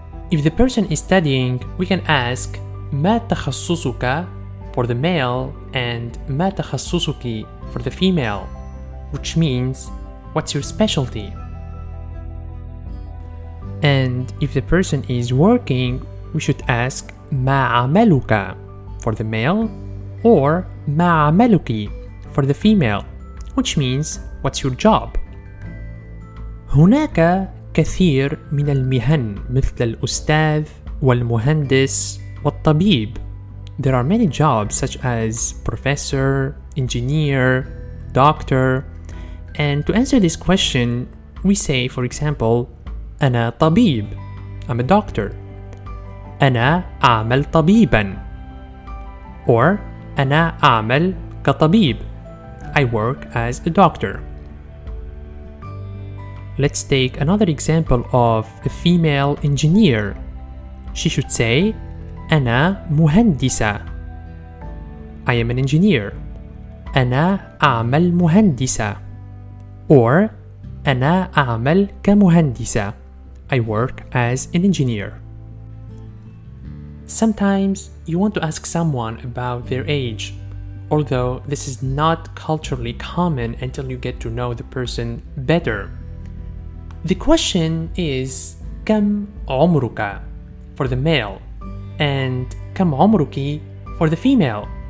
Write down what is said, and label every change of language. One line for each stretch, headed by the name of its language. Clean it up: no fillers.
English: If the person is studying, we can ask
Arabic: ما تخصصك
English: for the male and ما تخصصك for the female, which means what's your specialty. And if the person is working, we should ask
Arabic: ما عملك
English: for the male or ما عملك for the female, which means what's your job.
Arabic: هناك كثير من المهن مثل الأستاذ والمهندس والطبيب.
English: There are many jobs such as professor, engineer, doctor. And to answer this question, we say, for example,
Arabic: أنا طبيب,
English: I'm a doctor.
Arabic: أنا أعمل طبيبا, or أنا أعمل كطبيب,
English: I work as a doctor. Let's take another example of a female engineer. She should say
Arabic: أنا مهندسة,
English: I am an engineer.
Arabic: أنا أعمل مهندسة, or أنا أعمل كمهندسة,
English: I work as an engineer. Sometimes you want to ask someone about their age, although this is not culturally common until you get to know the person better. The question is
Arabic: كم عمرك
English: for the male and كم عمرك for the female.